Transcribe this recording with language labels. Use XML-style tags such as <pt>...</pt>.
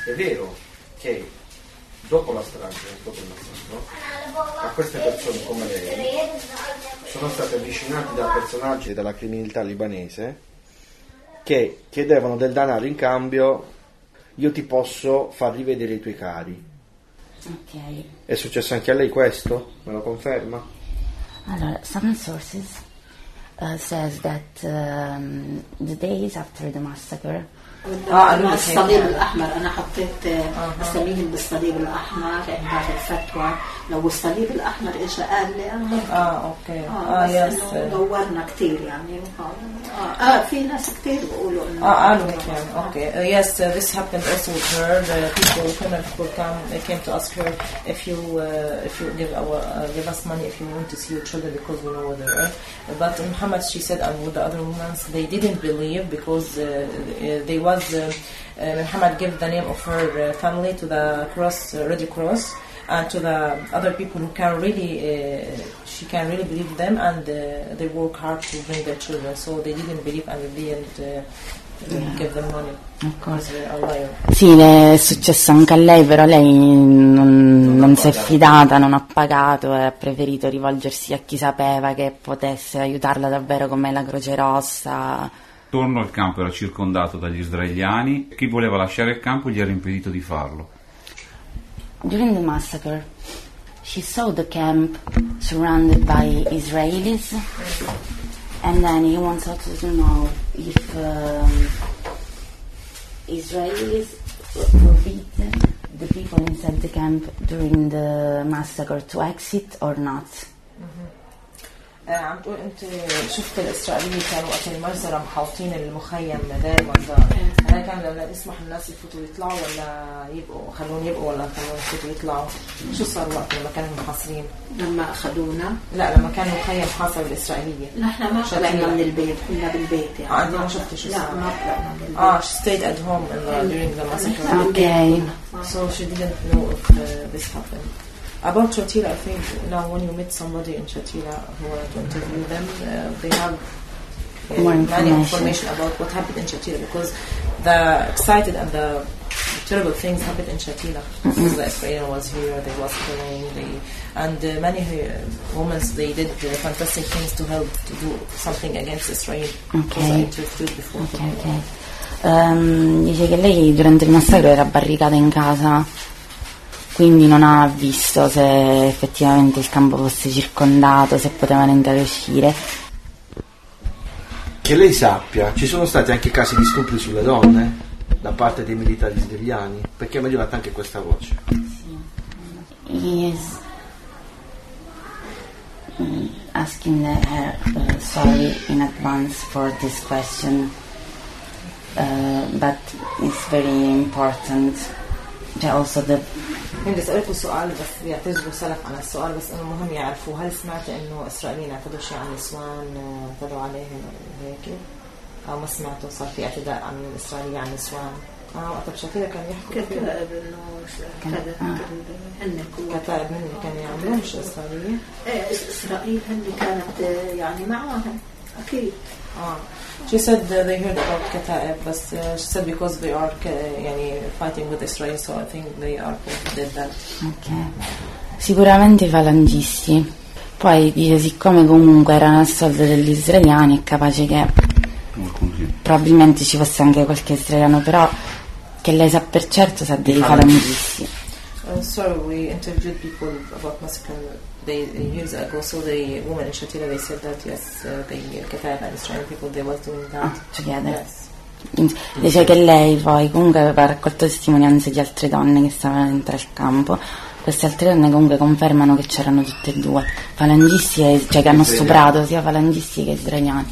<it>È vero che dopo la strage, dopo il massacro, a queste persone come lei sono state avvicinate da personaggi della criminalità libanese che chiedevano del denaro in cambio, io ti posso far rivedere i tuoi cari.</it> <en>Okay.</en> <it>È successo anche a lei questo? Me lo conferma?</it> <en>Allora, some sources says that the days after the massacre.</en> <ar>الصليب الأحمر أنا حطيت أسميهم بالصليب الأحمر عند هذه الفتوى. لو الصليب الأحمر إيش قال لي دورنا كتير يعني في ناس كتير بيقولوا إنه</ar> <en>Yes, this happened also with her. The people came to ask her if you give us money if you want to see your children because we know what they're. But Muhammad, she said, and with the other women, they didn't believe because they was Muhammad gave the name of her family to the cross, Red Cross, and to the other people who can really she can really believe them, and they work hard to bring their children. So they didn't believe and they didn't. Yeah.</en> <it>Sì, è successo anche a lei, però lei non si è fidata, non ha pagato e ha preferito rivolgersi a chi sapeva che potesse aiutarla davvero, come la Croce Rossa. Torno al campo era circondato dagli israeliani, chi voleva lasciare il campo gli era impedito di farlo.</it> <en>During the massacre she saw the camp surrounded by Israelis. And then he wants also to know if Israelis forbid the people inside the camp during the massacre to exit or not.</en> <ar>عم تقول انت شفت الاسرائيليين كانوا وقت المجزرة محاوطين المخيم مدار مدار كان لا يسمح الناس يفوتوا يطلعوا ولا يبقوا خلون يبقوا ولا خلون يفوتوا يطلعوا شو صار وقت لما كانوا محاصرين لما أخذونا لا لما كان المخيم محاصر الإسرائيلية نحن ما طلعنا من البيت كنا بالبيت يعني عادي ما شفت شو صار لا ما طلعنا من البيت</ar> <en>she stayed at home in the, during the massacre okay so she didn't know if this happened About Shatila, I think now when you meet somebody in Shatila who want to interview them, they have many information about what happened in Shatila because the excited and the terrible things happened in Shatila. Mm-hmm. The Israel was here, they was killing, and many women did fantastic things to help to do something against Israel. Okay. Because I interviewed before. Okay.</en> <it>Dice che lei durante il massacro era barricata in casa. Quindi non ha visto se effettivamente il campo fosse circondato, se potevano entrare e uscire. Che lei sappia, ci sono stati anche casi di stupri sulle donne da parte dei militari israeliani, perché mi è arrivata anche questa voce. Sì. Yes.</it> <en>Asking her sorry in advance for this question, but it's very important. Also the</en> <ar>هم بيسألكوا سؤال بس بيعتذروا سلف عن السؤال بس انه مهم يعرفوا هل سمعت انه اسرائيليين اعتدوا شيء على النسوان اعتدوا عليهم هيك او ما سمعتوا صار في اعتداء عن الاسرائيلي على النسوان وقت بشكل كان يحكوا كتائب انه كذا كتائب من اللي كان يعملوا مش اسرائيلي اسرائيل هن كانت يعني معهم اكيد</ar> <en>She said they heard about Kataeb, but she said because they are fighting with Israel, so I think they are both dead.</en> <it>Ok. Sicuramente i falangisti. Poi dice, siccome comunque era a soldo degli israeliani, è capace che probabilmente ci fosse anche qualche israeliano, però che lei sa per certo sa dei falangisti.</it> <en>Sorry, we interviewed people about massacre. Years ago, so the woman in Shatila, they said that yes, the Kataeb and Israeli people, they were doing that together. Yes.</en> <it>Dice che lei poi comunque aveva raccolto testimonianze di altre donne che stavano dentro il campo. Queste altre donne comunque confermano che c'erano tutte e due falangisti, cioè che hanno stuprato sia falangisti che israeliani</it>